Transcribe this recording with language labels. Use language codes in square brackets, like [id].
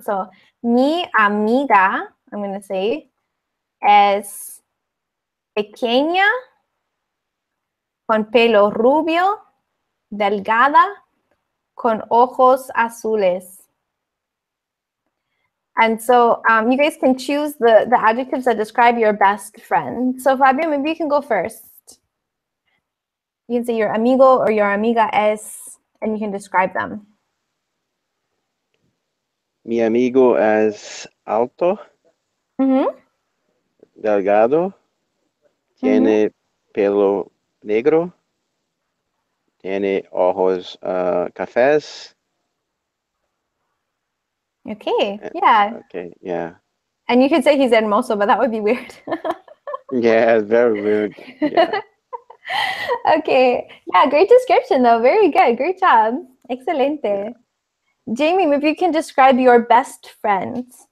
[es] So mi amiga, [en] I'm going to say, [es] es pequeña, con pelo rubio, delgada, con ojos azules. [en] And so you guys can choose the adjectives that describe your best friend. So Fabio, maybe you can go first. You can say your amigo or your amiga es, and you can describe them. [es] Mi amigo es alto, delgado, tiene pelo negro, tiene ojos cafés. [en] Okay, yeah. Okay, yeah. And you could say he's hermoso, but that would be weird. Yeah, very weird. Yeah. Okay, yeah, great description though. Very good, great job. Excelente. Yeah. Jamie, maybe you can describe your best friend.